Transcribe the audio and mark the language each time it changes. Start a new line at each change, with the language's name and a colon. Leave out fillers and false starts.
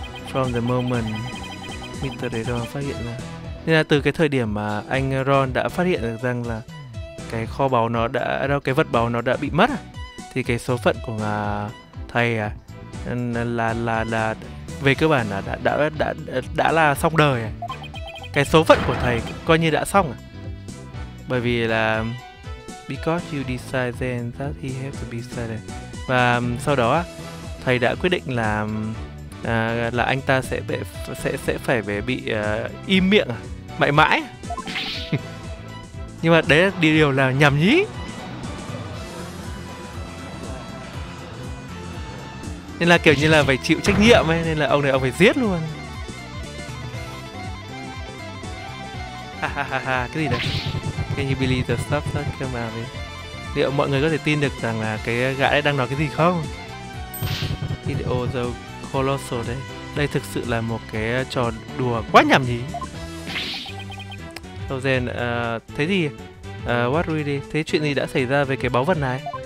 English: From the moment Mr. Ron
Vietnamese: phát hiện ra, nên là từ cái thời điểm mà anh Ron đã phát hiện được rằng là cái kho báu nó đã đâu cái vật báu nó đã bị mất à, thì cái số phận của thầy à, là về cơ bản là đã là xong đời à. Cái số phận của thầy coi như đã xong à. Bởi vì là
English: because you decide then that he has to be silent.
Vietnamese: Và sau đó thầy đã quyết định là anh ta sẽ phải về bị im miệng à, mãi mãi. Nhưng mà đấy là điều là nhảm nhí. Nên là kiểu như là phải chịu trách nhiệm ấy, nên là ông này ông phải giết luôn. Ha. Cái gì đấy?
English: Can you believe the stuff that came out of it?
Vietnamese: Liệu mọi người có thể tin được rằng là cái gã ấy đang nói cái gì không?
English: It was a colossal
Vietnamese: đấy. Đây thực sự là một cái trò đùa quá nhảm nhí.
English: So then,
Vietnamese: thế gì?
English: What really?
Vietnamese: Thế chuyện gì đã xảy ra về cái báu vật này?